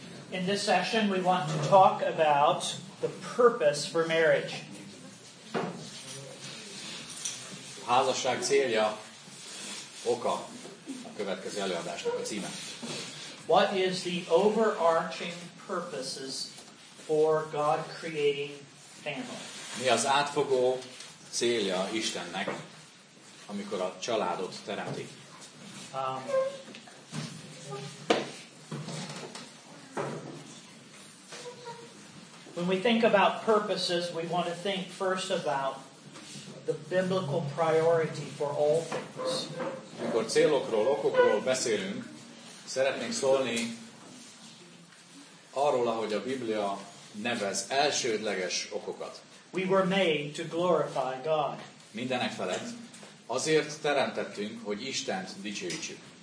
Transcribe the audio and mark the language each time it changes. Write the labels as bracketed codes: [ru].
[en] In this session, we want to talk about the purpose for marriage. [hu] Házasság célja, oka a következő előadásnak a címe. [en] What is the overarching purposes for God creating family? [hu] Mi az átfogó célja Istennek, amikor a családot teremti? [en] When we think about purposes, we want to think first about the biblical priority for all things. [hu] Amikor célokról, okokról beszélünk, szeretnénk szólni arról, ahogy a Biblia nevez elsődleges okokat. [en] We were made to glorify God. [hu] Mindenek felett azért teremtettünk, hogy Istent dicsérjük.